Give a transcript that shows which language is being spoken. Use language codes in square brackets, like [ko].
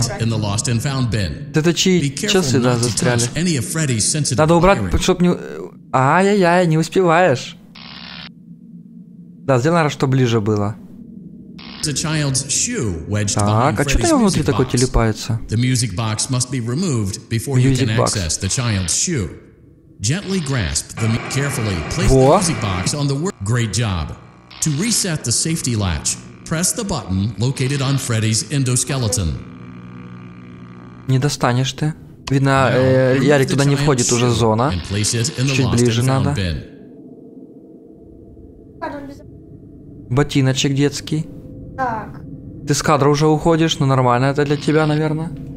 [ru] Это чьи часы, да, застряли. Надо убрать, чтобы не... Ай-яй-яй, не успеваешь. Да, сделано, чтобы ближе было. Так, а что там внутри такой телепается? [en] Music box must be removed before you can access the child's shoe. Gently grasp the carefully place the music box on the work. Great job. To reset the safety latch, press the button located on Freddy's endoskeleton. [ru] Не достанешь ты. Видно, Ярик туда не входит, уже зона. Чуть ближе надо. Ботиночек детский. Так. Ты с кадра уже уходишь, но нормально это для тебя, наверное.